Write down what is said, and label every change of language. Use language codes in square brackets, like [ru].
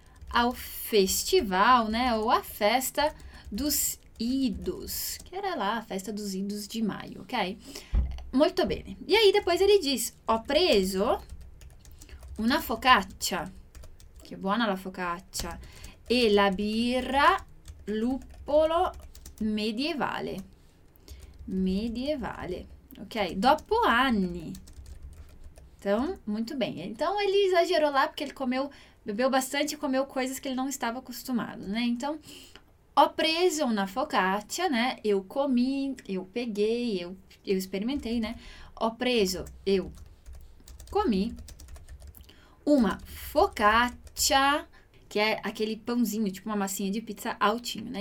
[pt] ao festival, né, ou a festa dos idos, que era lá a festa dos idos de maio, ok? Muito bem. E aí depois ele diz, [it] ho preso una focaccia. Che buona la focaccia. E la birra luppolo medievale. Medievale. Ok, dopo anni. [pt] Então, muito bem. Então, ele exagerou lá porque ele comeu, bebeu bastante e comeu coisas que ele não estava acostumado, né? [it] Então, ho preso una focaccia, né? [pt] Eu comi, eu peguei, eu experimentei, né? [it] Ho preso, [pt] eu comi uma focaccia, que é aquele pãozinho, tipo uma massinha de pizza altinho, né?